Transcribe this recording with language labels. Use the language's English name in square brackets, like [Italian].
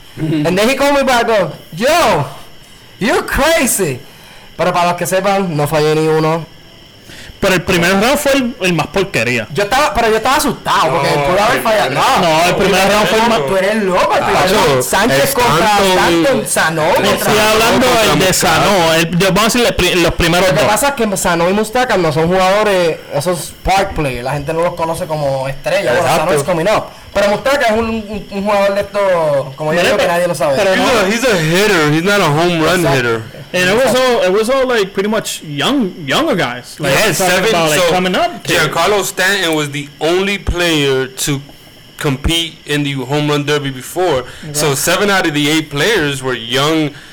[English] And then he called me back, go, yo, you crazy. [Spanish] Pero para los que sepan, no fallé ni uno. Pero el primer round fue el más porquería. Yo estaba asustado, porque no, pudo haber fallado. No, el primer round fue el más. Tú eres loco, el primer round. Sánchez contra Stanton, Sano. Estoy hablando de Sano. Yo voy a decirle los primeros dos. Lo que pasa es que Sano y Moustakas no son jugadores, esos park players. La gente no los conoce como estrellas. Bueno, [English] Sano es coming up. [Spanish] Pero Moustakas es un jugador de estos, como yo digo, que nadie lo sabe. Pero [English] he's a hitter, he's not a home run hitter. And it was all like pretty much younger guys. Like, yeah, seven. About, like, so coming up. Giancarlo Stanton was the only player to compete in the Home Run Derby before. Yeah. So 7 out of the 8 players were young.